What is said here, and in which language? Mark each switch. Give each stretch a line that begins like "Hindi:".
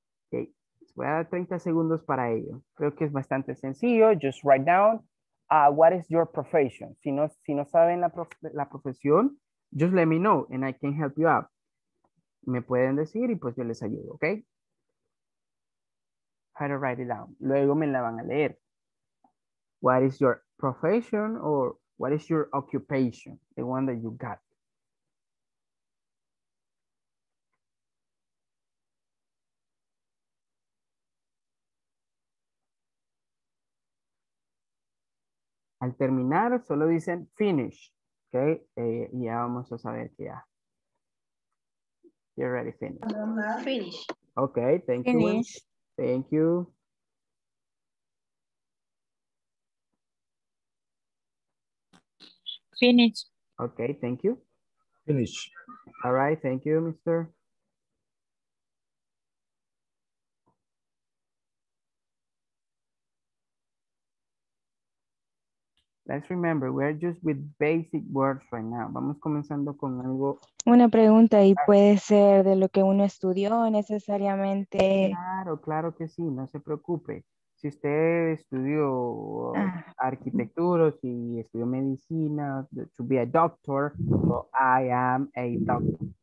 Spanish: Voy a dar 30 segundos para ello. Creo que es bastante sencillo.
English: Just write down, what is your profession?
Spanish: Si no saben la profesión,
English: just let me know and I can help you out.
Spanish: Me pueden decir y pues yo les ayudo, ¿ok?
English: How to write it down.
Spanish: Luego me la van a leer.
English: What is your profession or what is your occupation? The one that you got.
Spanish: Al terminar, solo dicen finish, ¿ok? Y ya vamos a saber que ya.
English: You're ready, finish. Finish. Ok, thank you. Finish. Thank you. Finish. Ok, thank you. Finish. All right, thank you, mister. Let's remember, we're just with basic words right now.
Spanish: Vamos comenzando con algo. Una pregunta, y puede ser de lo que uno estudió necesariamente. Claro, claro que sí, no se preocupe. si usted estudió arquitectura, si estudió medicina,
English: to be a doctor, so I am a doctor.